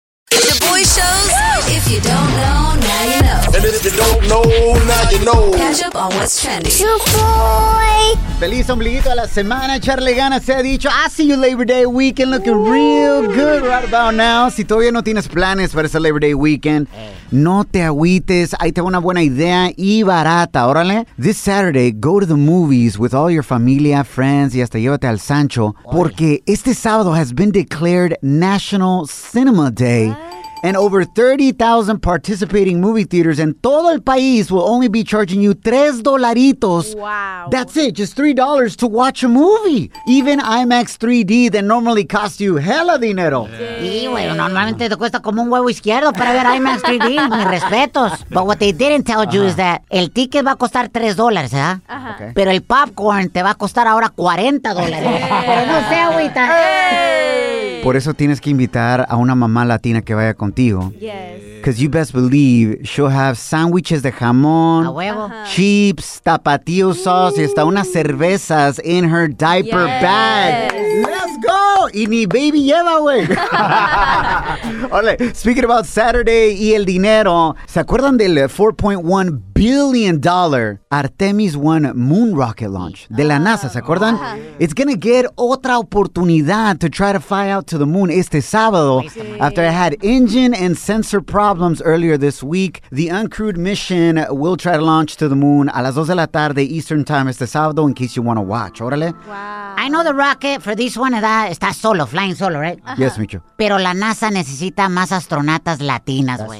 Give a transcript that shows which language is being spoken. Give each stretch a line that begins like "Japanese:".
English: The Boy Shows. If you don't know, now you know. And if you don't know, now you know. Catch up on what's trending. You boy.
Spanish: Feliz ombliguito a la semana. Echarle ganas, se ha dicho.
English: I see you Labor Day weekend looking real good right about now.
Spanish: Si todavía no tienes planes para ese Labor Day weekend, no te agüites. Ahí te va una buena idea y barata, órale.
English: This Saturday, go to the movies with all your familia, friends,
Spanish: y hasta llévate al Sancho. Porque este sábado
English: has been declared National Cinema Day. And over 30,000 participating movie theaters in
Spanish: todo el país
English: will only be charging you $3. Wow. That's it, just $3 to watch a movie. Even IMAX 3D that normally costs you hella dinero. Yeah.
Spanish: Sí, bueno, normalmente te cuesta como un huevo izquierdo para ver IMAX 3D, mis respetos.
English: But what they didn't tell you is that
Spanish: el ticket va a costar $3, ¿verdad?
English: Uh-huh. Okay.
Spanish: Pero el popcorn te va a costar ahora $40. Pero no sé, agüita. Por eso tienes que invitar a una mamá latina que vaya contigo.
English: Yes. Because you best believe she'll have sandwiches
Spanish: de jamón, a huevo.
English: Chips, tapatío sauce,
Spanish: y hasta unas cervezas
English: in her diaper bag. Let's go!
Spanish: Y ni baby lleva, güey. Ole,
English: speaking about Saturday
Spanish: y el dinero, ¿se acuerdan del
English: $4.1 billion Artemis 1 moon rocket launch
Spanish: de la NASA? ¿Se acuerdan? Uh-huh.
English: It's gonna get
Spanish: otra oportunidad
English: to try to fly out to the moon
Spanish: este sábado
English: after it had engine and sensor problems earlier this week. The uncrewed mission will try to launch to the moon
Spanish: a las 2 de la tarde
English: Eastern Time
Spanish: este sábado,
English: in case you want to watch.
Spanish: Órale.
English: Wow. I know the rocket for this one
Spanish: está solo,
English: flying solo, right? Uh-huh. Yes, Micho.
Spanish: Pero la NASA necesita más astronautas latinas, güey.